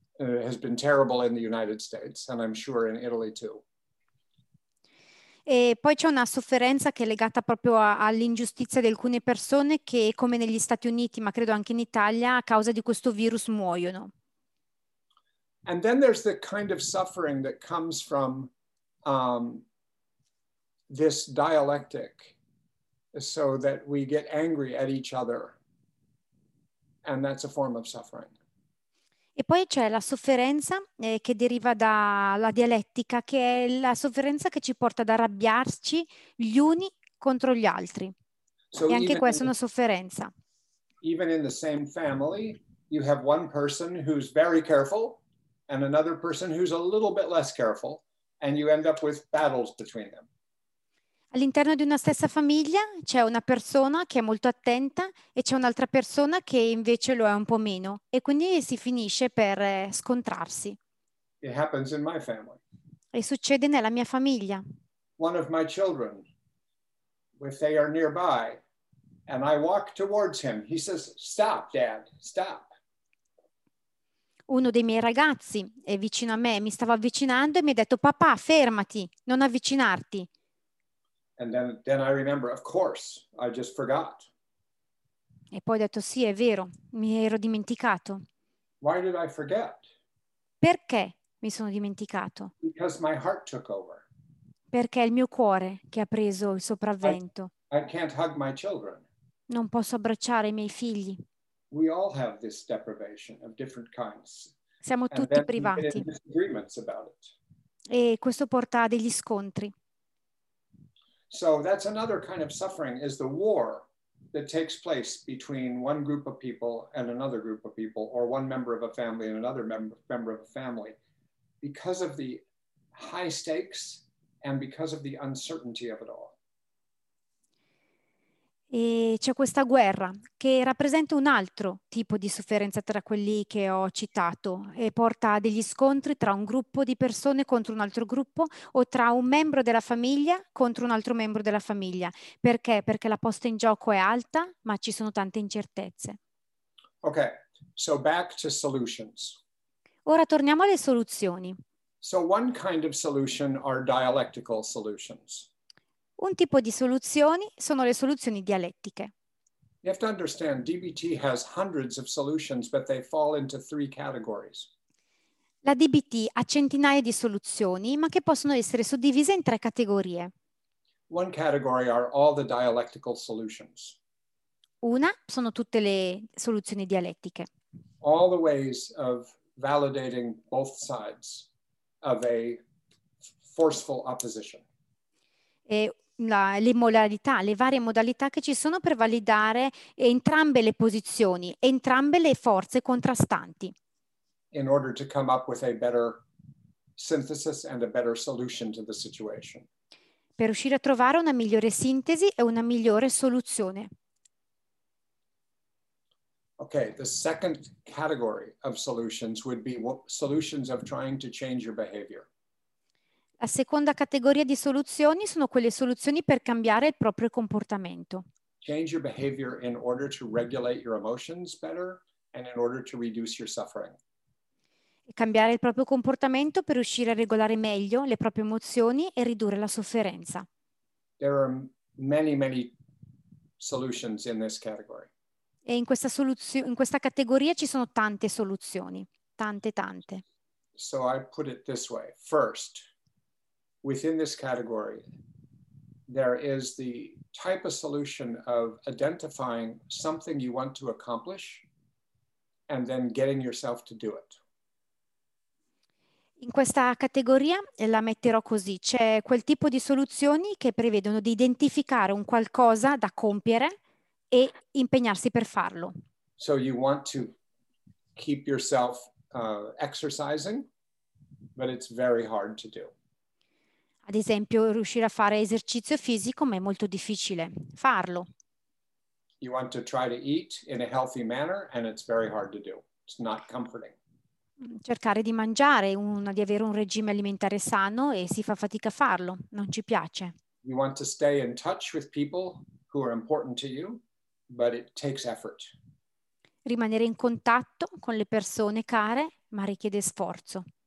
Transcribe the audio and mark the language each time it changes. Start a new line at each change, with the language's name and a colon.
English: It has been terrible in the United States, and I'm sure in Italy too.
Italian: E poi c'è una sofferenza che è legata proprio all'ingiustizia di alcune persone che, come negli Stati Uniti, ma credo anche in Italia, a causa di questo virus muoiono.
English: And then there's the kind of suffering that comes from this dialectic, so that we get angry at each other, and that's a form of suffering.
Italian: E poi c'è la sofferenza che deriva dalla dialettica, che è la sofferenza che ci porta ad arrabbiarci gli uni contro gli altri. So e anche questa è una sofferenza.
English: Even in the same family, you have one person who's very careful and another person who's a little bit less careful, and you end up with battles between them.
Italian: All'interno di una stessa famiglia c'è una persona che è molto attenta e c'è un'altra persona che invece lo è un po' meno, e quindi si finisce per scontrarsi.
English: It happens in my family.
Italian: E succede nella mia famiglia.
English: One of my children, if they are nearby and I walk towards him, he says, "Stop, Dad, stop."
Italian: Uno dei miei ragazzi è vicino a me, mi stava avvicinando e mi ha detto, "Papà, fermati, non avvicinarti."
English: And then I remember, of course, I just forgot.
Italian: E poi ho detto, sì, è vero, mi ero dimenticato.
English: Why did I forget?
Italian: Perché mi sono dimenticato?
English: Because my heart took over.
Italian: Perché è il mio cuore che ha preso il sopravvento.
English: I can't hug my children.
Italian: Non posso abbracciare i miei figli.
English: We all have this deprivation of different kinds.
Italian: Siamo tutti privati.
English: Disagreements about it.
Italian: E questo porta a degli scontri.
English: So that's another kind of suffering, is the war that takes place between one group of people and another group of people, or one member of a family and another member of a family, because of the high stakes and because of the uncertainty of it all.
Italian: E c'è questa guerra che rappresenta un altro tipo di sofferenza tra quelli che ho citato, e porta a degli scontri tra un gruppo di persone contro un altro gruppo, o tra un membro della famiglia contro un altro membro della famiglia. Perché? Perché la posta in gioco è alta, ma ci sono tante incertezze.
English: Ok, so back to solutions.
Italian: Ora torniamo alle soluzioni.
English: So one kind of solution are dialectical solutions.
Italian: Un tipo di soluzioni sono le soluzioni dialettiche.
English: You have to understand, DBT has hundreds of solutions, but they fall into three categories.
Italian: La DBT ha centinaia di soluzioni, ma che possono essere suddivise in tre categorie.
English: One category are all the dialectical solutions.
Italian: Una sono tutte le soluzioni dialettiche.
English: All the ways of validating both sides of a forceful opposition.
Italian: E le modalità, le varie modalità che ci sono per validare entrambe le posizioni, entrambe le forze contrastanti.
English: In order to come up with a better synthesis and a better solution to the situation.
Italian: Per riuscire a trovare una migliore sintesi e una migliore soluzione.
English: Okay, the second category of solutions would be solutions of trying to change your behavior.
Italian: La seconda categoria di soluzioni sono quelle soluzioni per cambiare il proprio comportamento.
English: Change your behavior in order to regulate your emotions better and in order to reduce your suffering.
Italian: cambiare il proprio comportamento per riuscire a regolare meglio le proprie emozioni e ridurre la sofferenza.
English: There are many, many solutions in this category.
Italian: E in questa categoria ci sono tante soluzioni, tante.
English: So I put it this way. First, within this category, there is the type of solution of identifying something you want to accomplish and then getting yourself to do it.
Italian: In questa categoria la metterò così. C'è quel tipo di soluzioni che prevedono di identificare un qualcosa da compiere e impegnarsi per farlo.
English: So you want to keep yourself exercising, but it's very hard to do.
Italian: Ad esempio, riuscire a fare esercizio fisico, ma è molto difficile farlo.
English: You want to try to eat in a healthy manner, and it's very hard to do. It's not comforting.
Italian: Cercare di mangiare, di avere un regime alimentare sano, e si fa fatica a farlo. Non ci piace.
English: You want to stay in touch with people who are important to you, but it takes effort.
Italian: Rimanere in contatto con le persone care, ma richiede sforzo.